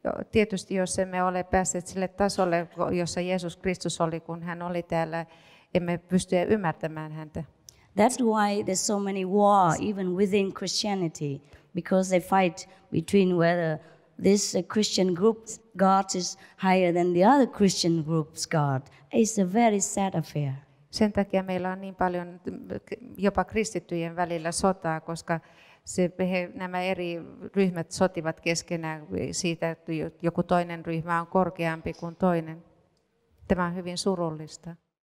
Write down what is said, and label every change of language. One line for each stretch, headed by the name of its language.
Finnish: Tietysti jos emme ole päässeet sille tasolle, jossa Jeesus Kristus oli, kun hän oli täällä, emme pysty ymmärtämään häntä.
English: That's why there's so many war even within Christianity, because they fight between whether this Christian group's God is higher than the other Christian group's God. It's a very sad affair.
Finnish: Sen takia meillä on niin paljon jopa kristittyjen välillä sotaa, koska nämä eri ryhmät sotivat keskenään siitä, että joku toinen ryhmä on korkeampi kuin toinen. Tämä on hyvin surullista.